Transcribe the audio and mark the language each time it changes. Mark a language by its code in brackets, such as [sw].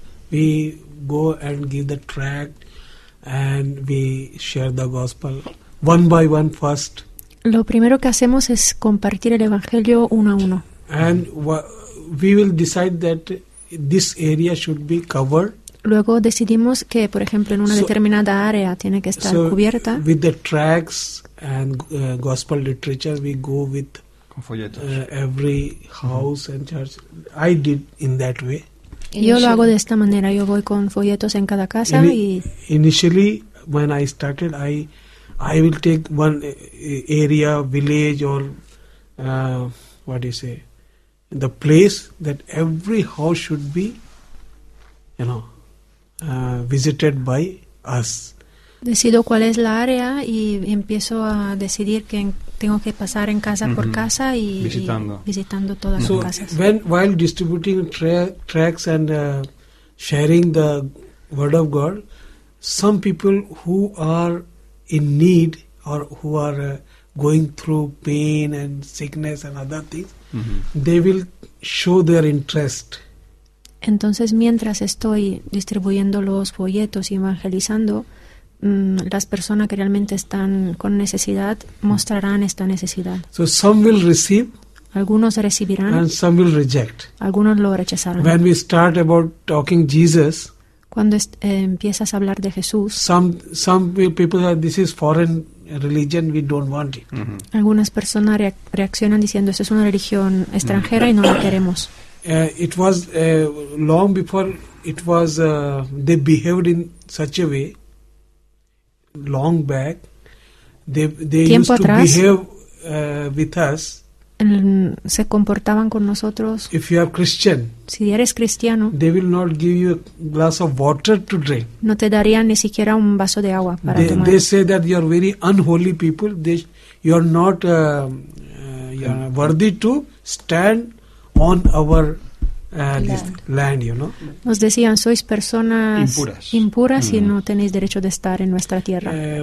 [en] We go and give the tract, and we share the gospel one by one first. [es] Lo primero que hacemos es compartir el evangelio uno a uno. [en] And we will decide that this area should be covered. [es] Luego decidimos que, por ejemplo, en una determinada área tiene que estar cubierta. [en] With the tracts and gospel literature, we go with [es] con folletos. [en] Every house and church. I did in that way. [es] Yo lo hago de esta manera. Yo voy con folletos en cada casa [en] Initially, when I started, I will take one area, village or the place that every house should be, visited by us. [es] Decido cuál es la área y empiezo a decidir que tengo que pasar en casa por casa y visitando todas las casas. [en] So while distributing tracts and sharing the word of God, some people who are in need or who are going through pain and sickness and other things, they will show their interest. [es] Entonces, mientras estoy distribuyendo los folletos y evangelizando, las personas que realmente están con necesidad mostrarán esta necesidad. [en] So some will receive, [es] algunos recibirán, [en] and some will reject. [es] Algunos lo rechazarán. [en] When we start about talking Jesus, [es] cuando empiezas a hablar de Jesús, [en] some people say this is foreign religion, we don't want it. [es] Algunas personas reaccionan diciendo esto es una religión extranjera y no la queremos. [en] It was long before it was they behaved in such a way. Long back, they [es] tiempo [en] used [es] atrás, [en] to behave with us. [es] Se comportaban con nosotros. [en] If you are Christian, [es] si eres cristiano, [en] they will not give you a glass of water to drink. [es] No te darían ni siquiera un vaso de agua para tomar. [en] They say that you are very unholy people. You are not worthy to stand on our land, you know. [es] Nos decían, sois personas impuras y no tenéis derecho de estar en nuestra tierra.